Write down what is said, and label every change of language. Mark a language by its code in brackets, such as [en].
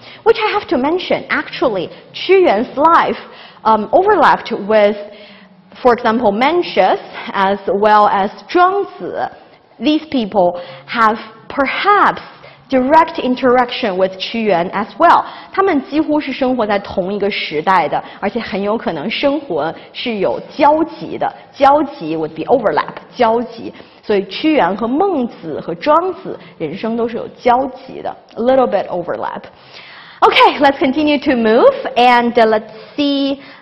[en] Which I have to mention Actually 屈原's life overlapped withFor example, Mencius, as well as Zhuangzi, these people have perhaps direct interaction with Qiyuan as well. [zh] 他们几乎是生活在同一个时代的，而且很有可能生活是有交集的。 [en] 交集 would be overlap, 交集。 [zh] 所以屈原和孟子和庄子人生都是有交集的。 [en] A little bit overlap. Okay, let's continue to move, and let's see...